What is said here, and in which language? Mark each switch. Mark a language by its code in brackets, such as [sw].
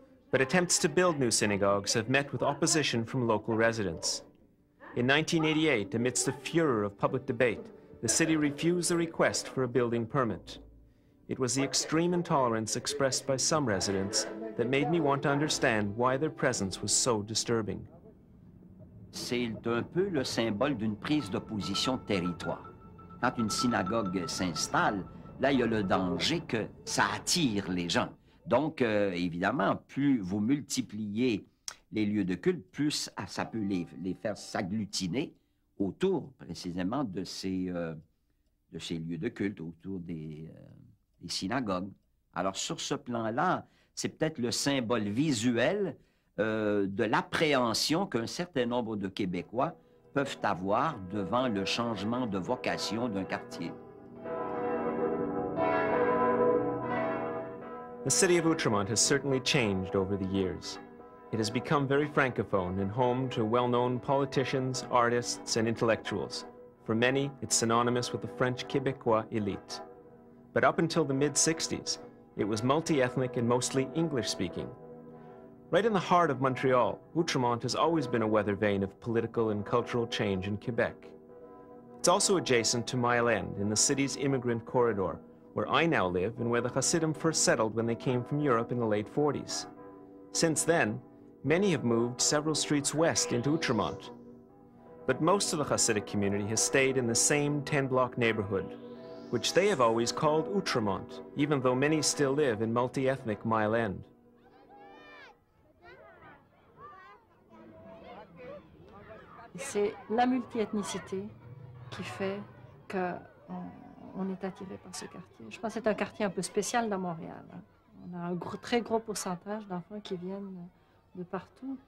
[en] But attempts to build new synagogues have met with opposition from local residents. In 1988, amidst the furor of public debate, the city refused a request for a building permit. It was the extreme intolerance expressed by some residents that made me want to understand why their presence was so disturbing. [fr] C'est un peu le symbole d'une prise de position de territoire. Quand une synagogue s'installe, là, il y a le danger que ça attire les gens. Donc, évidemment, plus vous multipliez les lieux de culte, plus ça peut les faire s'agglutiner autour, précisément, de ces lieux de culte, autour des synagogues. Alors, sur ce plan-là, c'est peut-être le symbole visuel de l'appréhension qu'un certain nombre de Québécois peuvent avoir devant le changement de vocation d'un quartier. [en] The city of Outremont has certainly changed over the years. It has become very francophone and home to well-known politicians, artists, and intellectuals. For many, it's synonymous with the French-Québécois elite. But up until the mid-60s, it was multi-ethnic and mostly English-speaking. Right in the heart of Montreal, Outremont has always been a weather vane of political and cultural change in Quebec. It's also adjacent to Mile End in the city's immigrant corridor, where I now live and where the Hasidim first settled when they came from Europe in the late 40s. Since then, many have moved several streets west into Outremont. But most of the Hasidic community has stayed in the same 10-block neighborhood, which they have always called Outremont, even though many still live in multi-ethnic Mile End. [fr] C'est la multiethnicité qui fait qu'on est attiré par ce quartier. Je pense que c'est un quartier un peu spécial dans Montréal. On a un gros, très gros pourcentage d'enfants qui viennent de partout.